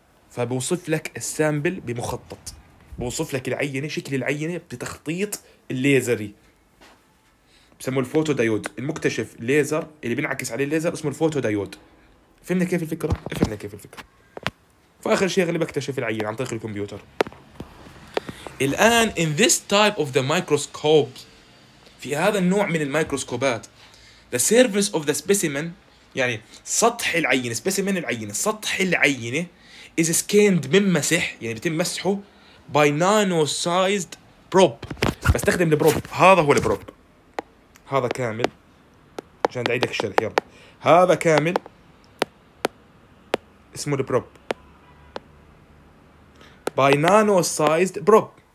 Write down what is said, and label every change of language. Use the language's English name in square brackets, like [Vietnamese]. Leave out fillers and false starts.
[Arabic] فبوصف لك السامبل بمخطط، بوصف لك العينة، شكل العينة بتخطيط الليزري، بسموه الفوتو دايود. المكتشف الليزر اللي بينعكس عليه الليزر اسمه الفوتو دايود. فهمنا كيف الفكرة؟ فهمنا كيف الفكرة. فآخر شيء غالبا اكتشف العينة عن طريق الكمبيوتر. الآن [English] in this type of the microscopes، [Arabic] في هذا النوع من الميكروسكوبات، [English] the surface of the specimen، [Arabic] يعني سطح العينة، specimen العينة، سطح العينة [English] is scanned، [Arabic] بمسح، يعني بتم مسحه [English] by nano-sized probe. [Arabic] بستخدم البروب، هذا هو البروب، هذا كامل عشان أعيدك الشرح، يلا هذا كامل اسمه البروب، [English] by nano-sized probe.